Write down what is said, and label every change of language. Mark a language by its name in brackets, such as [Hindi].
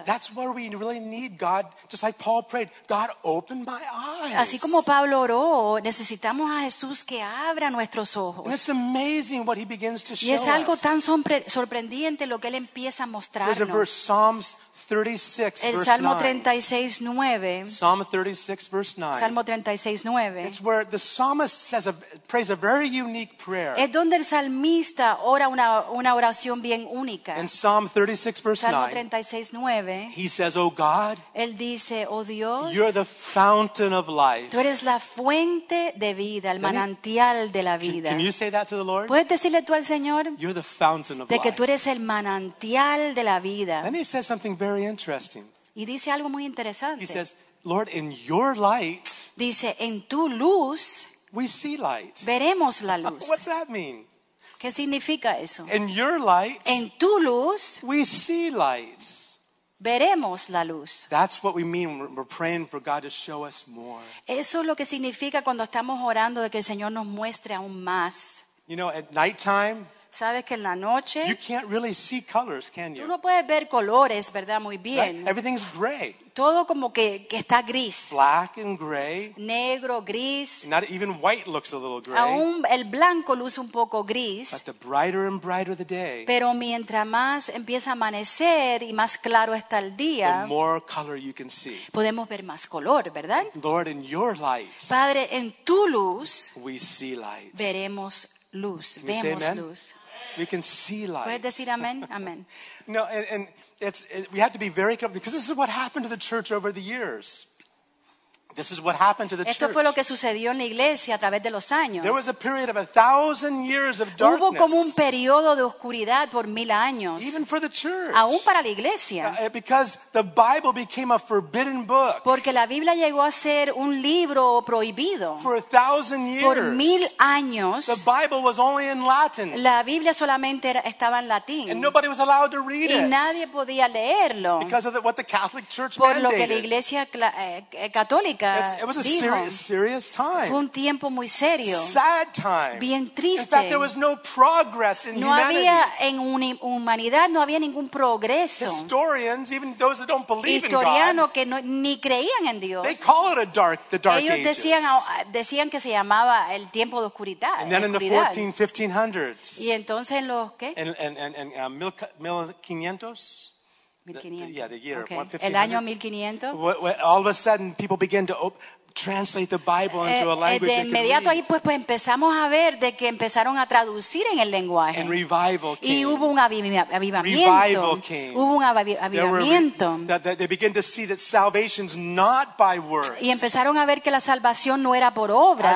[English] And that's where we really need God, just like Paul prayed, God, open my eyes. [Spanish] Así como Pablo oró, necesitamos a Jesús que abra nuestros ojos. [English] And it's amazing what he begins to show [Spanish] y es algo [English] us. [Spanish] Tan sorprendente lo que él empieza a mostrarnos. [English] There's a verse, Psalms 36, [Spanish] el [English] verse [Spanish] Salmo 36, 9. [English] Psalm 36, verse 9. [Spanish] Salmo 36, 9. [English] It's where the psalmist says prays a very unique prayer. [Spanish] Es donde el salmista ora una oración bien única. [English] In Psalm 36, verse [Spanish] Salmo 9, 36, 9. [English] He says, oh God, [Spanish] él dice, oh Dios, [English] you're the fountain of life. [Spanish] Tú eres la fuente de vida, el manantial de la vida. [English] Can you say that to the Lord? [Spanish] ¿Puedes decirle tú al Señor? [English] You're the fountain of life. [Spanish] De que tú eres el manantial de la vida. [English] Then he says something very interesting. [Spanish] Y dice algo muy interesante. [English] He says, Lord, in your light, [Spanish] dice, en tu luz, [English] we see light. [Spanish] Veremos la luz. [English] What's that mean? [Spanish] ¿Qué significa eso? [English] In your light, [Spanish] en tu luz, [English] we see light. [Spanish] Veremos la luz. [English] That's what we mean when we're praying for God to show us more. [Spanish] Eso es lo que significa cuando estamos orando de que el Señor nos muestre aún más. [English] You know, at nighttime, [Spanish] Sabes que en la noche [English] you can't really see colors, can you? [Spanish] Tú no puedes ver colores, ¿verdad? Muy bien. [English] Right? Everything's gray. [Spanish] Todo como que está gris. [English] Black and gray. [Spanish] Negro, gris. [English] Not even white looks a little gray. [Spanish] Aún el blanco luce un poco gris. [English] But the brighter and brighter the day. [Spanish] Pero mientras más empieza a amanecer y más claro está el día, [English] the more color you can see. [Spanish] Podemos ver más color, ¿verdad? [English] Lord, in your light. [Spanish] Padre, en tu luz. [English] We see light. [Spanish] Veremos luz. Vemos luz. [English] We can see light. [Spanish] ¿Puedes decir amén? Amén. [English] No, and we have to be very careful because this is what happened to the church over the years. This is what happened to the [Spanish] church. Esto fue lo que sucedió en la iglesia a través de los años. [English] There was a period of 1,000 years of darkness. [Spanish] Hubo como un periodo de oscuridad por 1,000 años. [English] Even for the church. [Spanish] Aún para la iglesia. [English] Because the Bible became a forbidden book. [Spanish] Porque la Biblia llegó a ser un libro prohibido. [English] For 1,000 years. [Spanish] Por 1,000 años. [English] The Bible was only in Latin. [Spanish] La Biblia solamente estaba en latín. [English] And nobody was allowed to read it. [Spanish] Y nadie podía leerlo. [English] Because of what the Catholic Church [Spanish] por [English] mandated. [Spanish] Por lo que la iglesia católica. [English] It was a serious time. [Spanish] Fue un tiempo muy serio. [English] Sad time. [Spanish] Bien triste. [English] In fact, there was no progress in [Spanish] no [English] humanity. [Spanish] No había en humanidad, no había ningún progreso. [English] Historians, even those that don't believe [Spanish] historiano [English] in God, [Spanish] que no, ni creían en Dios. [English] They call it the dark [Spanish] ellos decían, [English] ages. [Spanish] Decían que se llamaba el tiempo de oscuridad. [English] And then in the 1500s. [Spanish] Y entonces en los qué? En 1500. [English] The year, [Spanish] okay. 1500. El año 1500. [English] All of a sudden, people began to translate the Bible into a language. [Spanish] De inmediato ahí pues empezamos a ver de que empezaron a traducir en el lenguaje. [English] And revival came. [Spanish] Y hubo un avivamiento. [English] Revival came. [Spanish] Hubo un avivamiento. [English] They began to see that salvation's not by works. [Spanish] Y empezaron a ver que la salvación no era por obras.